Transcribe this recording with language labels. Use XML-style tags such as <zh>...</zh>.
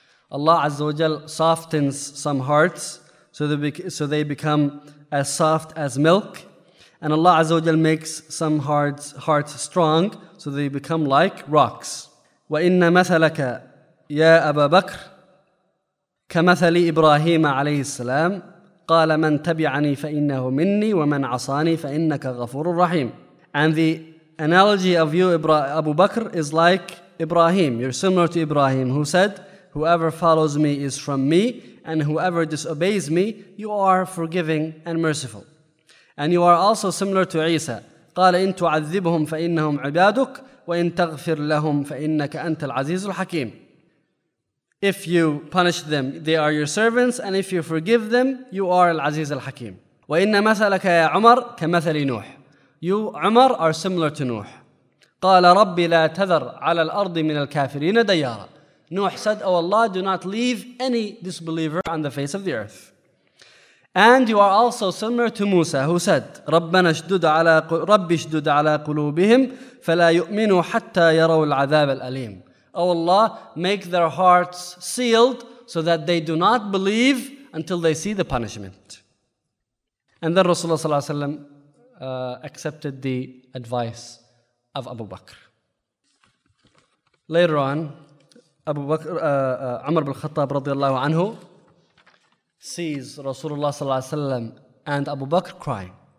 <en>Allah Azza wa Jal softens some hearts so they become as soft as milk, and Allah Azza wa Jal makes some hearts strong so they become like rocks.</en> <ar>وَإِنَّ مَثَلَكَ يَا أَبَا بَكْرٍ كمثل إبراهيم عليه السلام قال من تبعني فإنه مني ومن عصاني فإنك غفور رحيم.</ar> <en>And the analogy of you, Abu Bakr, is like Ibrahim. You're similar to Ibrahim, who said, whoever follows me is from me, and whoever disobeys me, you are forgiving and merciful. And you are also similar to Isa.</en> <ar>قال إن تعذبهم فإنهم عبادك وإن تغفر لهم فإنك أنت العزيز الحكيم.</ar> <en>If you punish them, they are your servants, and if you forgive them, you are Al-Aziz Al-Hakim.</en> <ar>وَإِنَّ مَثَلَكَ يَا عُمَرْ كَمَثَلِ نُوحِ.</ar> <en>You, Umar, are similar to Nuh.</en> <ar>قَالَ رَبِّ لَا تَذَرْ عَلَى الْأَرْضِ مِنَ الْكَافِرِينَ دَيَّارًا.</ar> <en>Nuh said, O Allah, do not leave any disbeliever on the face of the earth. And you are also similar to Musa, who said,</en> <ar>رَبَّنَا اشْدُدْ عَلَىٰ رَبِّ اشْدُدْ عَلَىٰ قُلُوبِهِمْ فَلَا يُؤْمِنُوا حَتَّى يَرَوُ الْعَذَابَ الْأَلِيمِ.</ar> <en>O Allah, make their hearts sealed so that they do not believe until they see the punishment. And then Rasulullah accepted the advice of Abu Bakr. Later on, Umar ibn Khattab radiallahu anhu sees Rasulullah sallallahu alayhi wa sallam and Abu Bakr crying.</en>